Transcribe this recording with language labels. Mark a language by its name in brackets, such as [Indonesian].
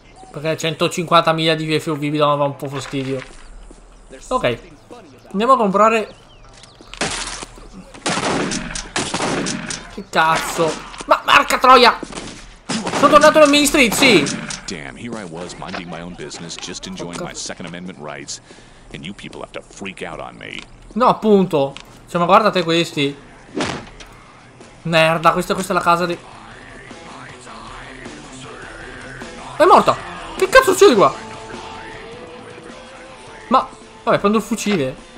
[Italian] Perché 150 miglia di FOV mi dava un po' fastidio. Ok. Andiamo a comprare. Che cazzo. Ma marca troia. Sono tornato nel Main Street, sì. [English] Damn, here I was minding my own business, just enjoying my Second Amendment rights, and you people have to freak out on me. [Italian] No, appunto. Cioè, ma guardate questi. Merda, questa è la casa di. È morta! Che cazzo succede qua? Ma. Vabbè, prendo il fucile.